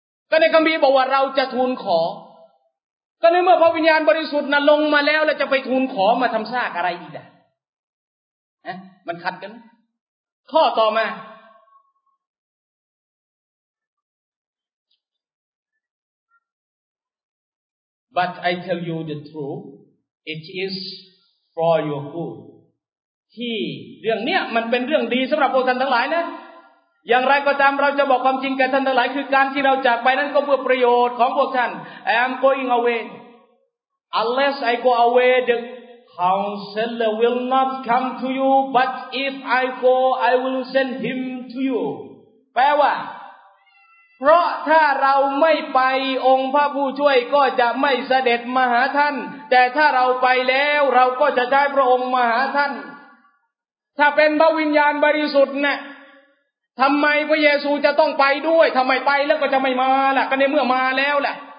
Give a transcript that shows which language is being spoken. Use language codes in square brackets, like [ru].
[th] ก็ในคัมภีร์บอกว่าเราจะทูลขอก็ในเมื่อพระวิญญาณบริสุทธิ์น่ะลงมาแล้วแล้วจะไปทูลขอมาทำซากอะไรอีกล่ะมันขัดกันข้อต่อมา [en] But I tell you the truth, it is for your good. [th] ที่เรื่องเนี้ยมันเป็นเรื่องดีสำหรับพวกท่านทั้งหลายนะอย่างไรก็ตามเราจะบอกความจริงแก่ท่านทั้งหลายคือการที่เราจากไปนั้นก็เพื่อประโยชน์ของพวกท่าน [en] I am going away. Unless I go away, theCounselor will not come to you, but if I go, I will send him to you. [th] แปลว่าพ พราะถ้าเราไม่ไปองค์พระผู้ช่วยก็จะไม่เสด็จมาหาท่านแต่ถ้าเราไปแล้วเราก็จะได้พระองค์มาหาท่านถ้าเป็นพระวิญญาณบริสุทธิ์น่ะทำไมพระเยซูจะต้องไปด้วยทำไมไปแล้วก็จะไม่มาล่ะก็ในเมื่อมาแล้วล่ะ